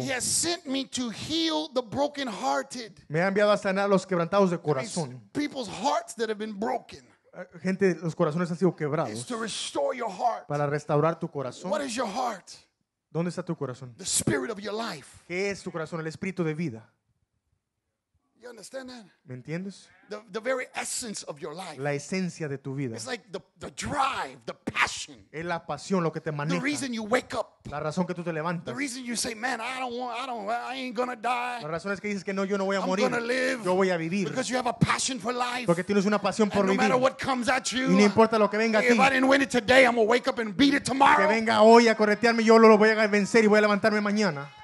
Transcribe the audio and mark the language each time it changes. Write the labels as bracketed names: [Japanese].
[English] He has sent me to heal the brokenhearted. [Spanish] Me ha enviado a sanar los quebrantados de corazón. [English] People's hearts that have been broken. [Spanish] Gente, los corazones han sido quebrados. [English] To restore your heart. [Spanish] Para restaurar tu corazón. [English] What is your heart? [Spanish] ¿Dónde está tu corazón? [English] The spirit of your life. [Spanish] ¿Qué es tu corazón? El espíritu de vida. [English] You understand that? [Spanish] ¿Me entiendes? [English] The very essence of your life. [Spanish] La esencia de tu vida. [English] It's like the drive, the passion. [Spanish] Es la pasión lo que te maneja. [English] The reason you wake up. [Spanish] La razón que tú te levantas. [English] The reason you say, man, I ain't gonna die. [Spanish] La razón es que dices que no, yo no voy a morir. [English] I'm gonna live. [Spanish] Yo voy a vivir. [English] Because you have a passion for life. [Spanish] Porque tienes una pasión por [English] and [Spanish] vivir. [English] No matter what comes at you. [Spanish] Y no importa lo que venga a ti. [English] If I didn't win it today, I'm gonna wake up and beat it tomorrow. [Spanish] Que venga hoy a corretearme, yo lo voy a vencer y voy a levantarme mañana.